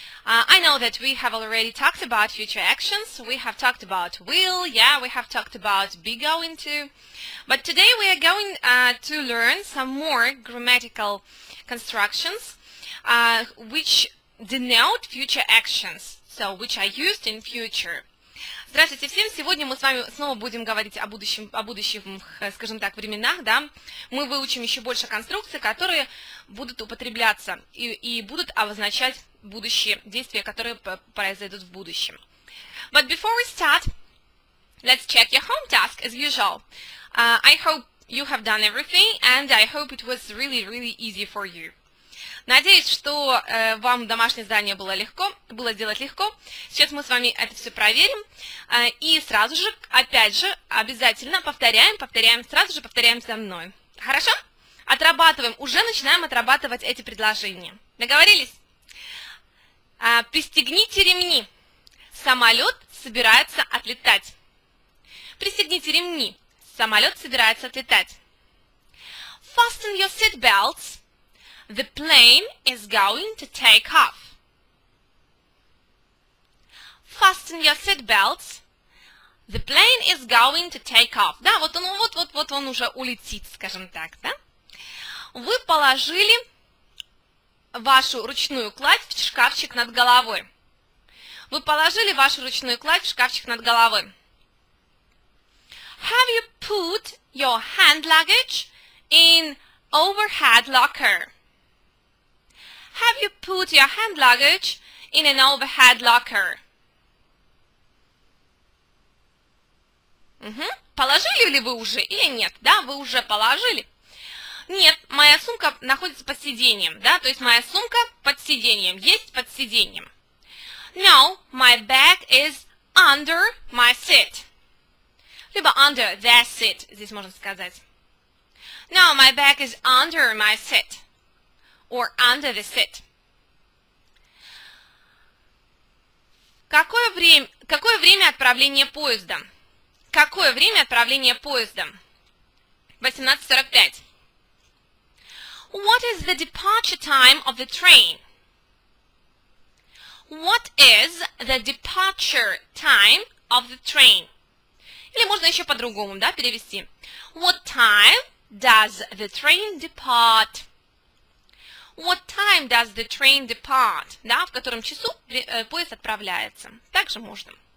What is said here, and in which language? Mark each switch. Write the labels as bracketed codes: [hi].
[en] I know that we have already talked about future actions. We have talked about will, yeah, we have talked about be going to. But today we are going to learn some more grammatical constructions which denote future actions, so which are used in future. [ru] Здравствуйте всем! Сегодня мы с вами снова будем говорить о будущих, скажем так, временах, да? Мы выучим еще больше конструкций, которые будут употребляться и будут обозначать будущие действия, которые произойдут в будущем. [en] But before we start, let's check your home task as usual. I hope you have done everything and I hope it was really, really easy for you. [ru] Надеюсь, что вам домашнее задание было легко, было делать легко. Сейчас мы с вами это все проверим. И сразу же, опять же, обязательно повторяем, сразу же повторяем со мной. Хорошо? Отрабатываем, уже начинаем отрабатывать эти предложения. Договорились? Пристегните ремни. Самолет собирается отлетать. Пристегните ремни. Самолет собирается отлетать. [en] Fasten your seat belts. The plane is going to take off. Fasten your seat belts. The plane is going to take off. [ru] Да, вот он, вот он уже улетит, скажем так, да? Вы положили вашу ручную кладь в шкафчик над головой. Вы положили вашу ручную кладь в шкафчик над головой. [en] Have you put your hand luggage in overhead locker? Have you put your hand luggage in an overhead locker? [ru] Угу. Положили ли вы уже или нет? Да, вы уже положили. Нет, моя сумка находится под сиденьем. Да, то есть моя сумка под сиденьем. Есть под сиденьем. [en] No, my bag is under my seat. [ru] Либо [en] under the seat, [ru] здесь можно сказать. [en] No, my bag is under my seat. Or under the seat. [ru] Какое время отправления поезда? Какое время отправления поезда? 18:45. [en] What is the departure time of the train? What is the departure time of the train? [ru] Или можно еще по-другому, да, перевести. [en] What time does the train depart? What time does the train depart? [ru] Да, в котором часу поезд отправляется. Также можно.